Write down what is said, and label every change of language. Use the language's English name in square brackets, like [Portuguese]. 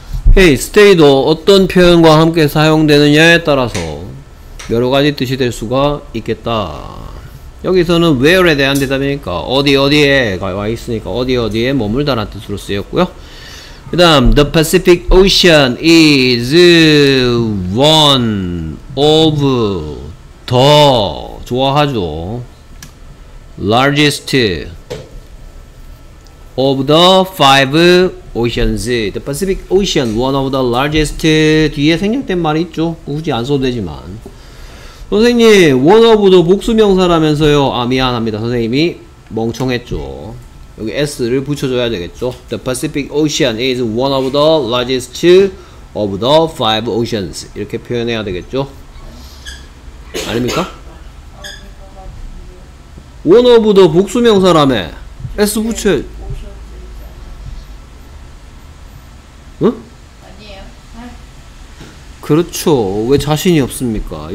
[Korean] 오케이. stay도 어떤 표현과 함께 사용되느냐에 따라서 여러가지 뜻이 될 수가 있겠다. 여기서는 where에 대한 대답이니까 어디어디에 와있으니까 어디어디에 머물다란 뜻으로 쓰였고요. [English] 그 다음 The Pacific Ocean is one of the [Korean] 좋아하죠 [English] largest of the five oceans. The Pacific Ocean, one of the largest. [Korean] 뒤에 생략된 말이 있죠. 굳이 안 써도 되지만. 선생님, [English] one of the [Korean] 복수명사라면서요. 아, 미안합니다. 선생님이 멍청했죠. 여기 S를 붙여줘야 되겠죠. [English] The Pacific Ocean is one of the largest of the five oceans. [Korean] 이렇게 표현해야 되겠죠. 아닙니까? [English] one of the [Korean] 복수명사라며. S 붙여. 응? 그렇죠. 왜 자신이 없습니까?